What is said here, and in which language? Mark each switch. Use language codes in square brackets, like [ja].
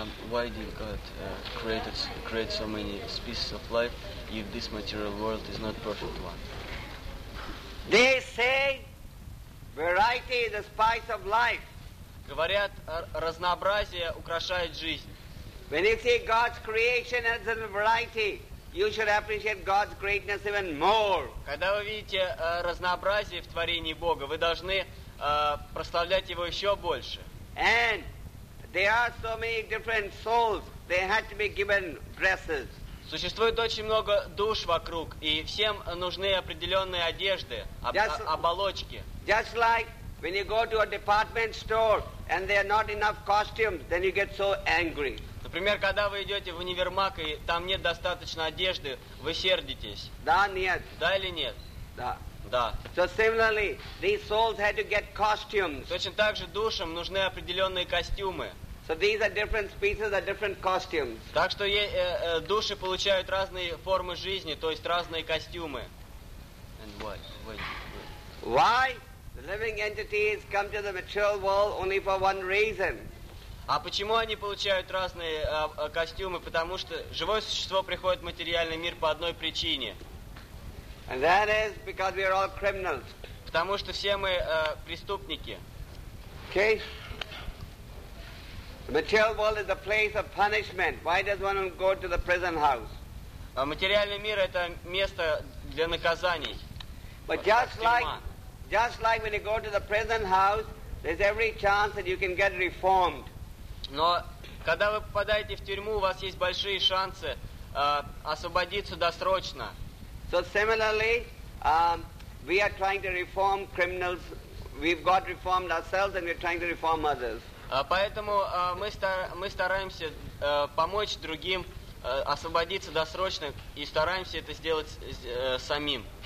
[en] Why did God create so many species of life if this material world is not perfect one? They say variety is the spice of life. [ru] Говорят, разнообразие украшает жизнь. [en] When you see God's creation as a variety, you should appreciate God's greatness even more. [ru] Когда вы видите разнообразие в творении Бога, вы должны прославлять его еще больше. [en] And there are so many different souls, they had to be given dresses. [ru] Существует очень много душ вокруг, и всем нужны определенные одежды, оболочки. [en] Just like when you go to a department store and there are not enough costumes, then you get so angry. [ru] Например, когда вы идете в универмаг, и там нет достаточно одежды, вы сердитесь. Да, нет. Да или нет? Да. Да. [en] So similarly, these souls had to get costumes. [ru] Точно так же душам нужны определенные костюмы. [en] So these are different species of different costumes. [ru] Так что души получают разные формы жизни, то есть разные костюмы. [en] And why? The living entities come to the material world only for one reason. [ru] А почему они получают разные костюмы? Потому что живое существо приходит в материальный мир по одной причине. [en] And that is because we are all criminals. [ru] Потому что все мы преступники. [en] Okay. The material world is a place of punishment. Why does one go to the prison house? [ru] Материальный мир это место для наказаний. [en] But just like when you go to the prison house, there's every chance that you can get reformed. [ru] Но когда вы попадаете в тюрьму, у вас есть большие шансы освободиться досрочно. [en] So similarly, we are trying to reform criminals. We've got reformed ourselves, and we're trying to reform others. [ru] Поэтому мы стараемся помочь другим освободиться досрочно и стараемся это сделать самим.